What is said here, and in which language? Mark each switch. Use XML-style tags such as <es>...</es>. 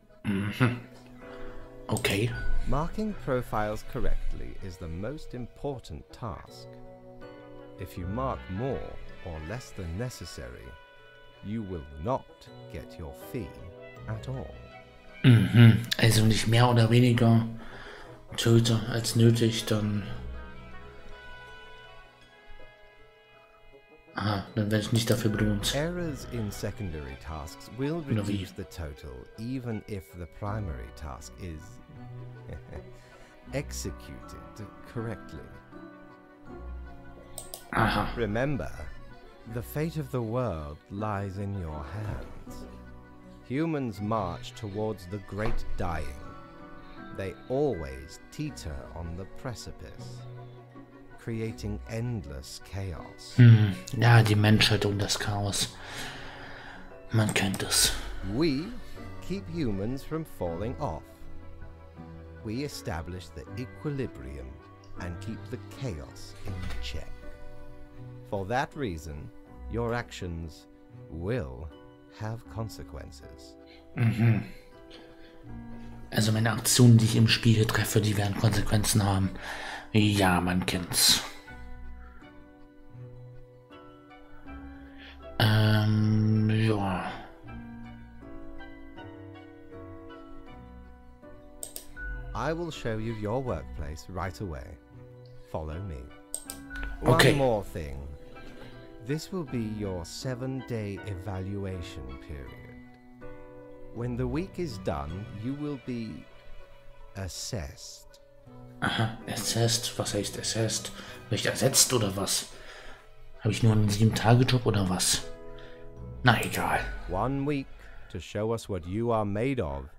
<en>Mhm. Okay. Marking profiles correctly is the most important task. If you mark more or less than necessary, you will not get your fee at all. Mhm.</en> <de>Also nicht mehr oder weniger töte als nötig, dann... Aha, dann werde ich nicht dafür belohnt.</de> <en>Errors in secondary tasks will reduce the total, even if the primary task is executed correctly. Aha. Remember, the fate of the world lies in your hands. Humans march towards the great dying. They always teeter on the precipice, creating endless chaos.</en> <de>Hm. Ja, die Menschheit und das Chaos. Man kennt es.</de> <en>We keep humans from falling off. We establish the equilibrium and keep the chaos in check. For that reason, your actions will have consequences. Mhm.</en> <de>Also meine Aktionen, die ich im Spiel treffe, die werden Konsequenzen haben. Ja, man kennt's. Ja.</de> <en>I will show you your workplace right away. Follow me. Okay. One more thing. This will be your 7-day evaluation period. When the week is done, you will be assessed.</en> <de>Aha, assessed? Was heißt assessed? Bin ich ersetzt oder was? Habe ich nur einen 7-Tage-Job oder was? Na egal.</de> <en>1 week to show us what you are made of.</en>